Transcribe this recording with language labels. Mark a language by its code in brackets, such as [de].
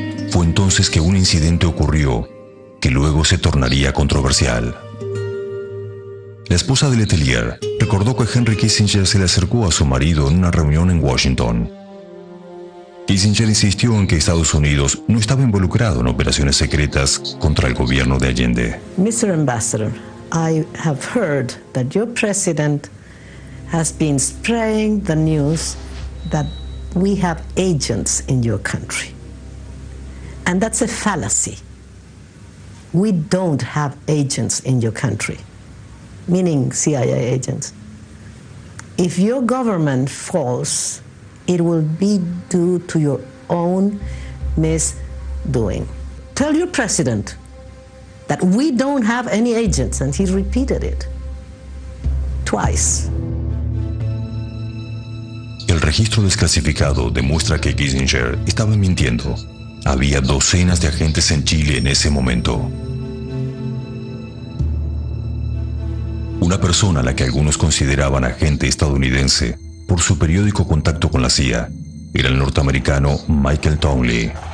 [es] Fue entonces que un incidente ocurrió que luego se tornaría controversial. La esposa de Letelier recordó que Henry Kissinger se le acercó a su marido en una reunión en Washington. Kissinger insistió en que Estados Unidos no estaba involucrado en operaciones secretas contra el gobierno de Allende. [en] Mr. Ambassador, I have heard that your president has been spreading the news that we have agents in your country. And that's a fallacy. We don't have agents in your country, meaning CIA agents. If your government falls, it will be due to your own misdoing. Tell your president that we don't have any agents, and he repeated it twice. [es] El registro desclasificado demuestra que Kissinger estaba mintiendo. Había docenas de agentes en Chile en ese momento. Una persona a la que algunos consideraban agente estadounidense por su periódico contacto con la CIA era el norteamericano Michael Townley.